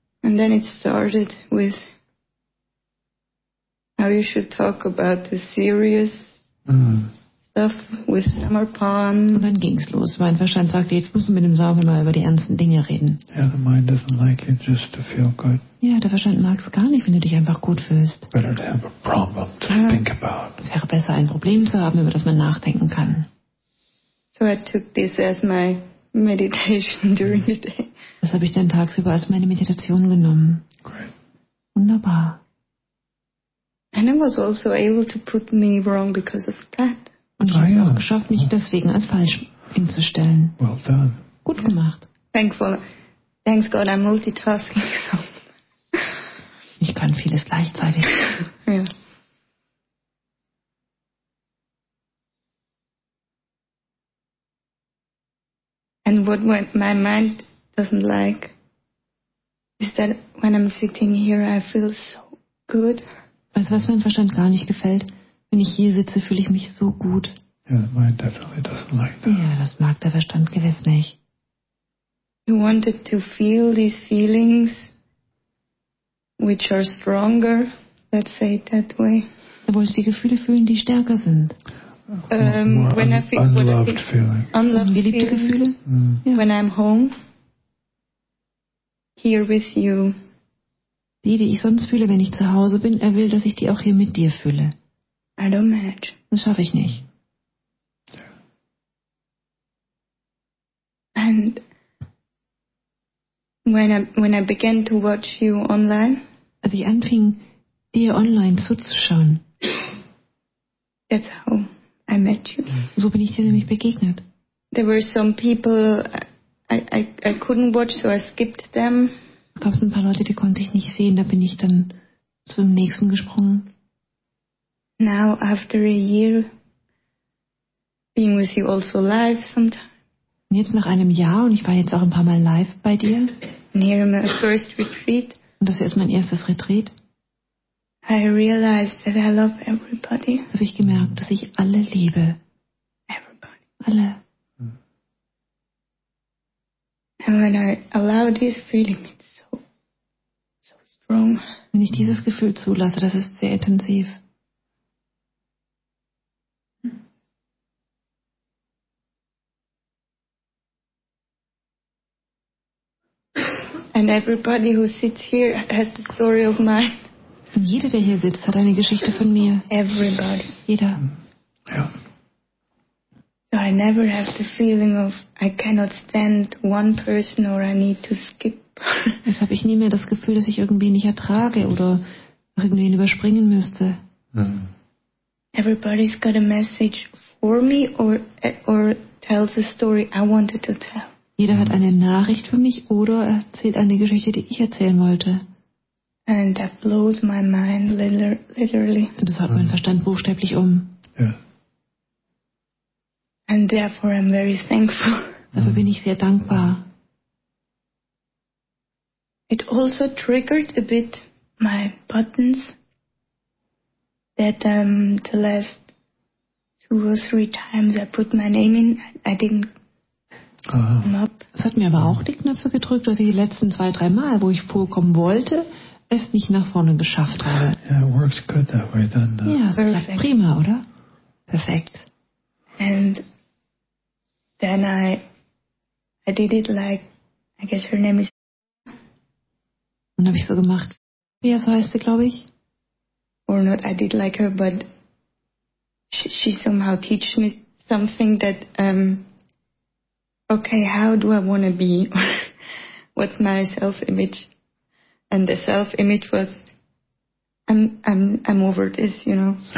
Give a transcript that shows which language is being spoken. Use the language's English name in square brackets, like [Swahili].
[English] And then it started with how you should talk about the serious stuff with Summer Pond. [German] Und dann ging's los. Mein Verstand sagte, jetzt musst du mit dem Sauber mal über die ernsten Dinge reden. [English] Yeah, the mind doesn't like it just to feel good. [German] Ja, der Verstand mag es gar nicht, wenn du dich einfach gut fühlst. [English] Better to have a problem to think about. [German] Es wäre besser, ein Problem zu haben, über das man nachdenken kann. [English] So I took this as my meditation during the day. [German] Das habe ich dann tagsüber als meine Meditation genommen. [English] Great. [German] Wunderbar. [English] And I was also able to put me wrong because of that. [German] Und ich habe es auch geschafft, mich deswegen als falsch hinzustellen. [English] Well done. [German] Gut gemacht. [English] Thankful. Thanks God, I'm multitasking. [German] Ich kann vieles gleichzeitig. Ja. [English] And what my mind doesn't like is that when I'm sitting here, I feel so good. [German] Weißt du, was meinem Verstand gar nicht gefällt? Wenn ich hier sitze, fühle ich mich so gut. [English] Yeah, [German] ja, das mag der Verstand gewiss nicht. [English] He wanted to feel these feelings, which are stronger, let's say it that way. [German] Er wollte die Gefühle fühlen, die stärker sind. [English] Unloved feelings. [German] Ungeliebte Gefühle. [English] Yeah. When I'm home, here with you. [German] Die, die ich sonst fühle, wenn ich zu Hause bin, er will, dass ich die auch hier mit dir fühle. [English] I don't manage. [German] Das schaffe ich nicht. [English] And when I began to watch you online, [German] als ich anfing, dir online zuzuschauen, [English] that's how I met you. [German] So bin ich dir nämlich begegnet. [English] There were some people I couldn't watch, so I skipped them. [German] Da gab es ein paar Leute, die konnte ich nicht sehen. Da bin ich dann zum nächsten gesprungen. [English] Now after a year, being with you also live sometimes. [German] Und jetzt nach einem Jahr und ich war jetzt auch ein paar Mal live bei dir. [English] Near my first retreat. [German] Und das ist mein erstes Retreat. [English] I realized that I love everybody. [German] Habe ich gemerkt, dass ich alle liebe. [English] Everybody. [German] Alle. [English] And when I allow this feeling. Wrong. [German] Wenn ich dieses Gefühl zulasse, das ist sehr intensiv. [English] And everybody who sits here has a story of mine. [German] Und jeder, der hier sitzt, hat eine Geschichte von mir. [English] Everybody. [German] Jeder. Ja. [English] So So I never have the feeling of I cannot stand one person or I need to skip. [German] Jetzt habe ich nie mehr das Gefühl, dass ich irgendwie nicht ertrage oder irgendwie ihn überspringen müsste. [English] Mm. Everybody's got a message for me or tells a story I wanted to tell. [German] Jeder hat eine Nachricht für mich oder erzählt eine Geschichte, die ich erzählen wollte. [English] And that blows my mind literally. [German] Und das haut meinen Verstand buchstäblich um. [English] Yeah. And therefore I'm very thankful. [German] Dafür bin ich sehr dankbar. [English] It also triggered a bit my buttons that the last 2 or 3 times I put my name in, I didn't. [German] Es hat mir aber auch die Knöpfe gedrückt, dass ich die letzten 2, 3 Mal, wo ich vorkommen wollte, es nicht nach vorne geschafft habe. [English] Yeah, it works good that way, doesn't it? [German] Ja, es klappt prima, oder? Perfekt. [English] And then I did it like, I guess her name is. [German] Dann habe ich so gemacht, wie er so heißt, glaube ich. [English] Or not, I did like her, but she somehow teach me something that. Okay, how do I want to be? What's my self-image? And the self-image was, I'm over this, you know.